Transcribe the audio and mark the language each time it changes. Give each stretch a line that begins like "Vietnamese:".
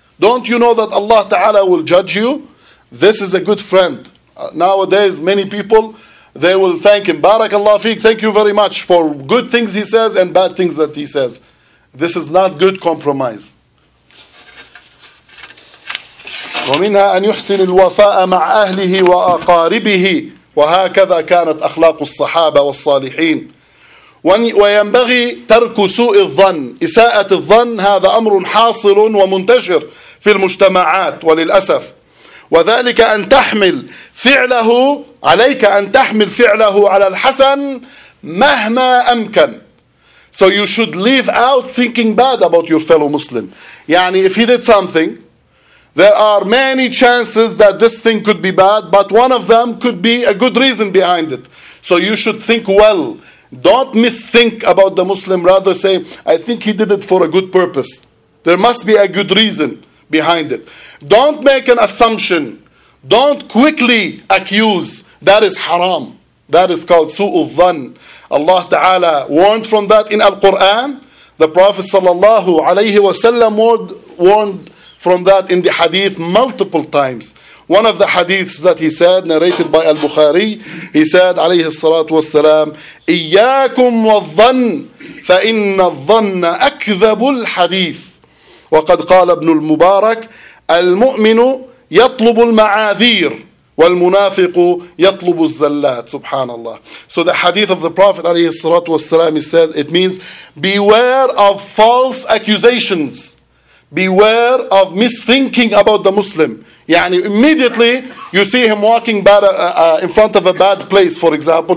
English: Don't you know that Allah Ta'ala will judge you? This is a good friend. Nowadays, many people, they will thank him. Barakallah feek, thank you very much for good things he says and bad things that he says. This is not good compromise.
Arabic: ومنها أن يحسن الوفاء مع أهله وأقاربه وهكذا كانت أخلاق الصحابة والصالحين وينبغي ترك سوء الظن إساءة الظن هذا أمر حاصل ومنتشر في المجتمعات وللأسف وذلك أن تحمل فعله عليك أن تحمل فعله على الحسن مهما أمكن.
English: So you should leave out thinking bad about your fellow Muslim. يعني if he did something, there are many chances that this thing could be bad, but one of them could be a good reason behind it. So you should think well. Don't misthink about the Muslim. Rather say, I think he did it for a good purpose. There must be a good reason behind it. Don't make an assumption. Don't quickly accuse. That is haram. That is called su'ul dhan. Allah Ta'ala warned from that in Al-Quran. The Prophet Sallallahu Alaihi Wasallam warned from that in the hadith multiple times. One of the hadiths that he said, narrated by Al-Bukhari, he said,
Arabic: عليه الصلاة والسلام, إياكم والظن فإن الظن أكذب الحديث. وقد قال ابن المبارك, المؤمن يطلب المعاذير والمنافق يطلب الزلات. سبحان الله.
English: So the hadith of the Prophet
Arabic: عليه الصلاة والسلام,
English: he said, it means, beware of false accusations. Beware of misthinking about the Muslim. يعني immediately you see him walking bad, in front of a bad place, for example.